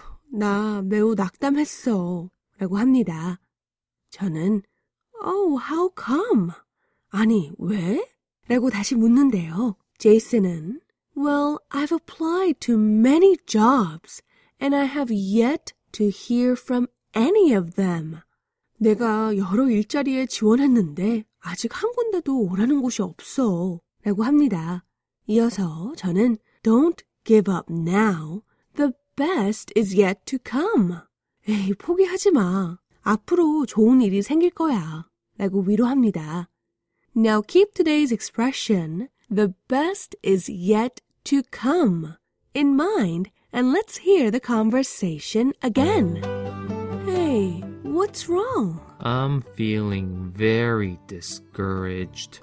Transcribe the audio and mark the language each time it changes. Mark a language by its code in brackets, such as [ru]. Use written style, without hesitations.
[ko] 나 매우 낙담했어. 라고 합니다. [en] 저는 Oh, how come? [ko] 아니, 왜? 라고 다시 묻는데요. 제이슨은 [en] Well, I've applied to many jobs and I have yet to hear from any of them. [ko] 내가 여러 일자리에 지원했는데 아직 한 군데도 오라는 곳이 없어. 라고 합니다. 이어서 저는 [en] Don't give up now. The best is yet to come. [ko] 에이, 포기하지 마. 앞으로 좋은 일이 생길 거야. 라고 위로합니다. [en] Now keep today's expression, the best is yet to come, in mind, and let's hear the conversation again. Hey, what's wrong? I'm feeling very discouraged.